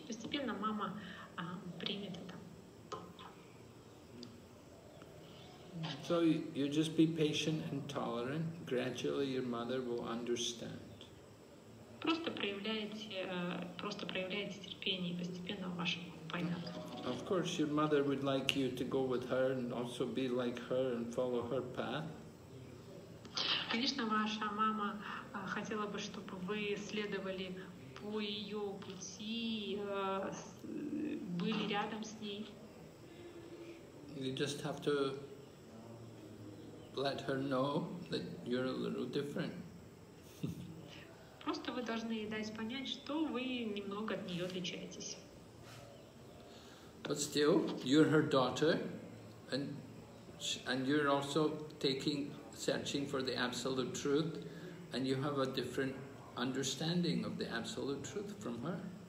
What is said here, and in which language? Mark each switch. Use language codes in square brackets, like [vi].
[ru] Постепенно мама примет это. [en] So you just be patient and tolerant. Gradually your mother will understand. [ru] Просто проявляйте терпение, и постепенно ваша мама поймет. [en] Of course, your mother would like you to go with her and also be like her and follow her path. [ru] Конечно, ваша мама хотела бы, чтобы вы следовали по ее пути, были рядом с ней. [en] You just have to let her know that you're a little different. [ru] Просто вы должны ей дать понять, что вы немного от нее отличаетесь. [en] But still, you're her daughter, and you're also taking, searching for the absolute truth, and you have a different understanding of the absolute truth from her.